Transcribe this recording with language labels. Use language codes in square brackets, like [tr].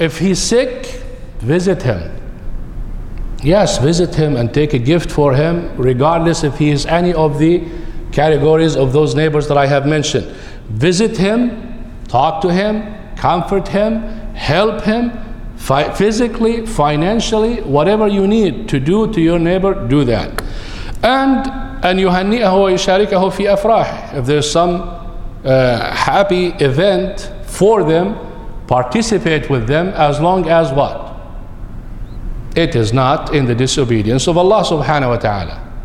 [en] If he's sick, visit him. Yes, visit him and take a gift for him, regardless if he is any of the categories of those neighbors that I have mentioned. Visit him, talk to him, comfort him, help him, physically, financially, whatever you need to do to your neighbor, do that. And [ar] يُهَنِّئَهُ وَيُشَارِكَهُ فِي أَفْرَاحِ. [en] If there's some happy event for them, participate with them as long as what? It is not in the disobedience of Allah subhanahu wa ta'ala.